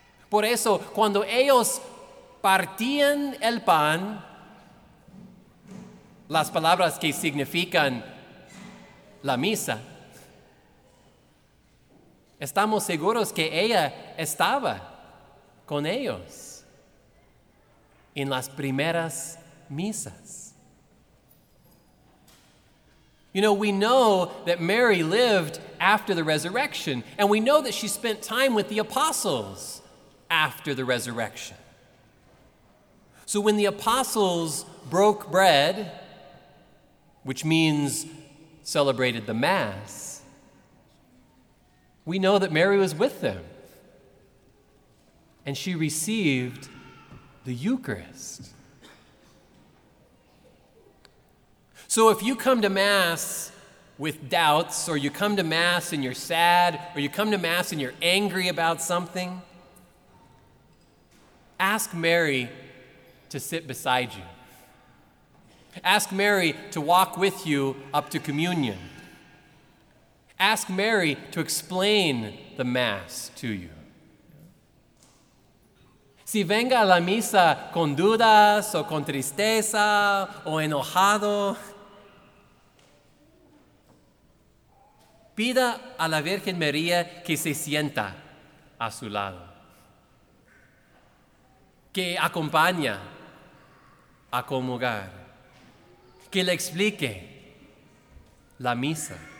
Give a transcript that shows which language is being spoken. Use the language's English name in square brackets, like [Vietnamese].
[Spanish] Por eso, cuando ellos partían el pan, las palabras que significan la misa, estamos seguros que ella estaba con ellos en las primeras misas. [English] You know, we know that Mary lived after the resurrection, and we know that she spent time with the apostles after the resurrection. So when the apostles broke bread, which means celebrated the Mass, we know that Mary was with them, and she received the Eucharist. So if you come to Mass with doubts, or you come to Mass and you're sad, or you come to Mass and you're angry about something, ask Mary to sit beside you. Ask Mary to walk with you up to communion. Ask Mary to explain the Mass to you. [Spanish] Si venga a la misa con dudas o con tristeza o enojado, pida a la Virgen María que se sienta a su lado, que acompañe a comulgar, que le explique la misa.